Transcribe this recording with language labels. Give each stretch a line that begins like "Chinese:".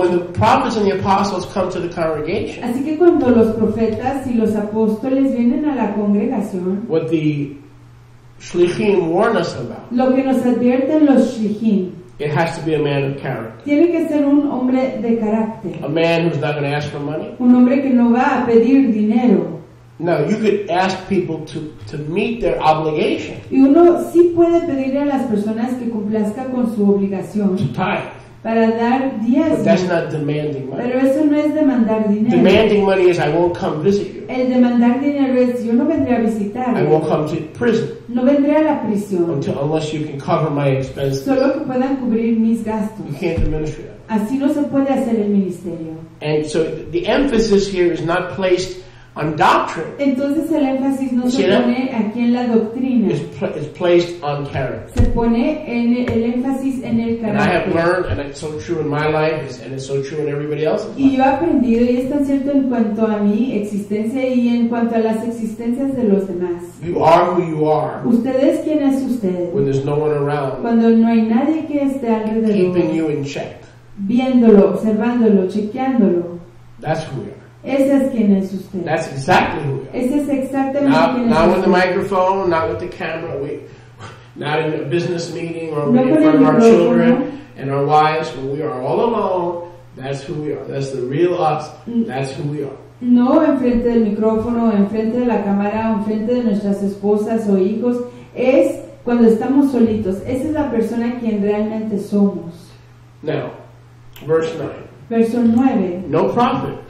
English: When the prophets and the apostles come to the congregation.
Spanish: Así que cuando los profetas y los apóstoles vienen a la congregación.
English: What the Shlichim warn us about.
Spanish: Lo que nos advierten los shlichim.
English: It has to be a man of character.
Spanish: Tiene que ser un hombre de carácter.
English: A man who's not going to ask for money.
Spanish: Un hombre que no va a pedir dinero.
English: No, you could ask people to meet their obligation.
Spanish: Y uno sí puede pedirle a las personas que cumplazca con su obligación.
English: To tithe.
Spanish: Para dar diezmo.
English: But that's not demanding money.
Spanish: Pero eso no es demandar dinero.
English: Demanding money is I won't come visit you.
Spanish: El demandar dinero es yo no vendré a visitarte.
English: I won't come to prison.
Spanish: No vendré a la prisión.
English: Until, unless you can cover my expenses.
Spanish: Solo que puedan cubrir mis gastos.
English: You can't do ministry.
Spanish: Así no se puede hacer el ministerio.
English: And so the emphasis here is not placed on doctrine.
Spanish: Entonces el énfasis no se pone aquí en la doctrina.
English: Is placed on character.
Spanish: Se pone en el énfasis en el carácter.
English: And I have learned, and it's so true in my life, and it's so true in everybody else's life.
Spanish: Y yo he aprendido, y es tan cierto en cuanto a mi existencia y en cuanto a las existencias de los demás.
English: You are who you are.
Spanish: Usted es quien es usted.
English: When there's no one around.
Spanish: Cuando no hay nadie que esté alrededor.
English: Keeping you in check.
Spanish: Viéndolo, observándolo, chequeándolo.
English: That's who we are.
Spanish: Ese es quien es usted.
English: That's exactly who we are.
Spanish: Ese es exactamente quien es usted.
English: Not with the microphone, not with the camera, not in a business meeting, or in front of our children and our wives, when we are all alone, that's who we are. That's the real us. That's who we are.
Spanish: No enfrente del micrófono, enfrente de la cámara, enfrente de nuestras esposas o hijos, es cuando estamos solitos. Esa es la persona quien realmente somos.
English: Now, verse 9.
Spanish: Verso 9.
English: No prophet.